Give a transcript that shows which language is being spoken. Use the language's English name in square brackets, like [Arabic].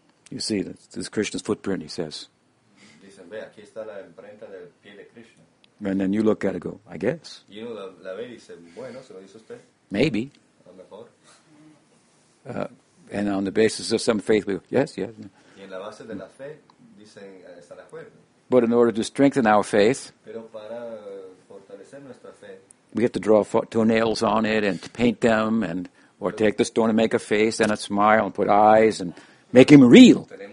[English] You see, this is Krishna's footprint, he says. [Spanish] Dicen, ve, aquí está la imprenta del pie de Krishna. [English] And then you look at it and go, I guess. [Spanish] Y uno la ve y dice, bueno, se lo dice usted. [English] Maybe. [Spanish] A lo mejor. [English] And on the basis of some faith, we go, yes, yes. [Spanish] Y en la base de la fe, dicen, está de acuerdo. [English] But in order to strengthen our faith, [Spanish] pero para fortalecer nuestra fe, [English] we have to draw toenails on it and to paint them and or take the stone and make a face and a smile and put eyes and make him real.